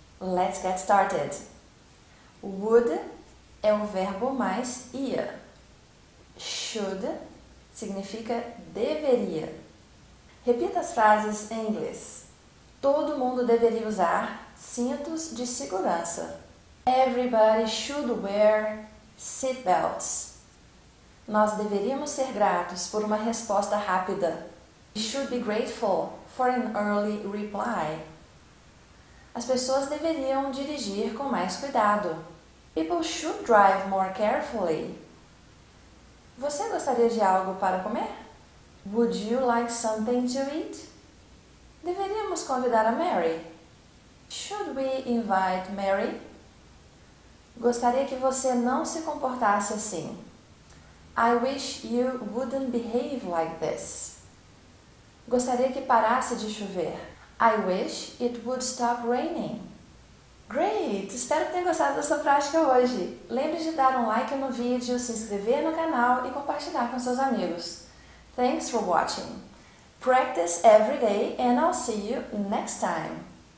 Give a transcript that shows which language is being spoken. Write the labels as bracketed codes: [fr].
[en] Let's get started! [pt] Would é o verbo mais ia. Should significa deveria. Repita as frases em inglês. Todo mundo deveria usar cintos de segurança. [en] Everybody should wear seatbelts. [pt] Nós deveríamos ser gratos por uma resposta rápida. [en] We should be grateful for an early reply. [pt] As pessoas deveriam dirigir com mais cuidado. [en] People should drive more carefully. [pt] Você gostaria de algo para comer? [en] Would you like something to eat? [pt] Deveríamos convidar a Mary. [en] Should we invite Mary? [pt] Gostaria que você não se comportasse assim. [en] I wish you wouldn't behave like this. [pt] Gostaria que parasse de chover. [en] I wish it would stop raining. Great! [pt] Espero que tenha gostado dessa prática hoje. Lembre-se de dar um like no vídeo, se inscrever no canal e compartilhar com seus amigos. [en] Thanks for watching. Practice every day and I'll see you next time.